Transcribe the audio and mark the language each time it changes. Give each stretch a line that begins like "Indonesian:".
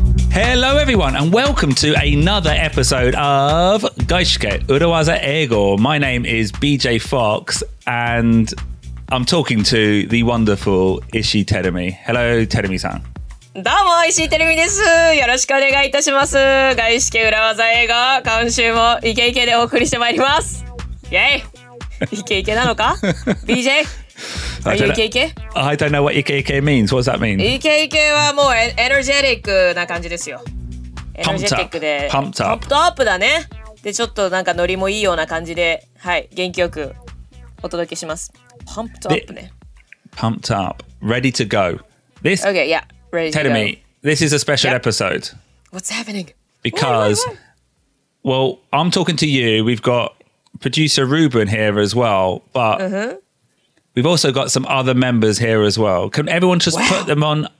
English: Hello, everyone, and welcome to another episode of Gaishke Urawaza Ego. My name is BJ Fox, and I'm talking to the wonderful Ishii Terumi. Hello, Terumi-san.
Japanese: どうも、石井テルミです。よろしくお願いいたします。外資系裏技英語、今週もイケイケでお送りしてまいります。イエイ。イケイケなのか?BJ?
English: Are you イケイケ? I don't know what イケイケ means. What's that mean?
Japanese: イケイケはもうエネルジェティックな感じですよ。エネルジェティックで。
English: パンプトアップ。パンプトアップだね。
Japanese: で、ちょっとなんかノリもいいような感じで、はい、元気よくお届けします。
English: パンプトアップね。パンプトアップ。 Ready to go. This? Okay, yeah. Tell me, this is a special、 yep. episode. What's happening? Because, what? Well, I'm talking to you. We've got producer Ruben here as well, but、we've also got some other members here as well. Can everyone just、wow. put them on?